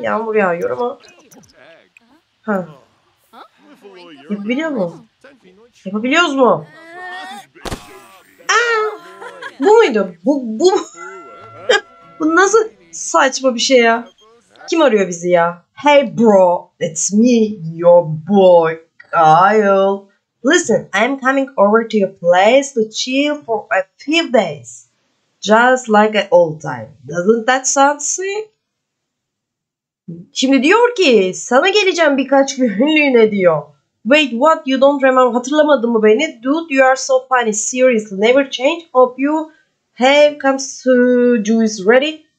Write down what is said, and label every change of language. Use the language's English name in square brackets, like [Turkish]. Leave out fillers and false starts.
[Turkish] Yağmur yağıyor ama. Ha. Yapabiliyor mu? Yapabiliyoruz mu? Aa! Bu muydu? Bu. Bu nasıl saçma bir şey ya? Kim arıyor bizi ya? [English] Hey bro, it's me, your boy, Kyle. Listen, I'm coming over to your place to chill for a few days. Just like an old time. Doesn't that sound sweet? [Turkish] Şimdi diyor ki, sana geleceğim birkaç günlüğüne diyor. [English] Wait, what? You don't remember? [Turkish] Hatırlamadın mı beni? [English] Dude, you are so funny. Seriously, never change. Hope you have come to juice ready.